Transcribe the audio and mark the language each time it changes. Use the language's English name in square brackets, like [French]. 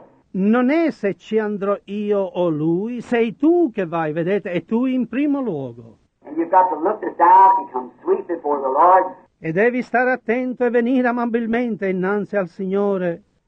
[Italian] Non è se ci andrò io o lui, sei tu che vai, vedete, e tu in primo luogo. [English] And you've got to look to die, become sweet before the Lord. [Italian] E devi stare attento e venire amabilmente innanzi al Signore.